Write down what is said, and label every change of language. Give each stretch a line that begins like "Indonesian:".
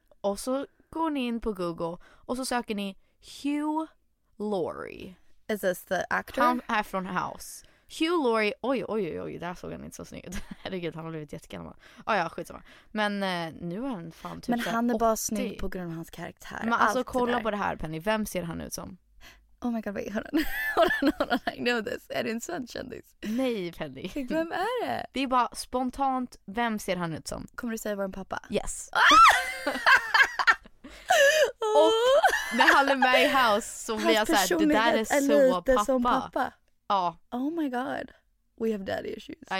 Swedish: Och så går ni in på Google och så söker ni Hugh Laurie.
English: Is this the actor?
Swedish: Han är från House. Hugh Laurie, oj, där såg han inte så snygg ut. Herregud, han har blivit jättegammal. Oh, ja, skitsamma. Men nu är han fan typ men han är bara snygg på grund av hans karaktär. Men alltså, kolla på det här, Penny. Vem ser han ut som?
English: Oh my god, wait, hold on, I know this.
Swedish: Är det en sån kändis? Nej, Penny. Vem är det? Det är bara spontant, vem ser han ut som? Kommer du säga vår pappa?
English: Yes.
Swedish: Och när han är med i House så blir jag såhär, det där är så pappa. Som pappa. Ja.
English: Oh my god, we have daddy issues.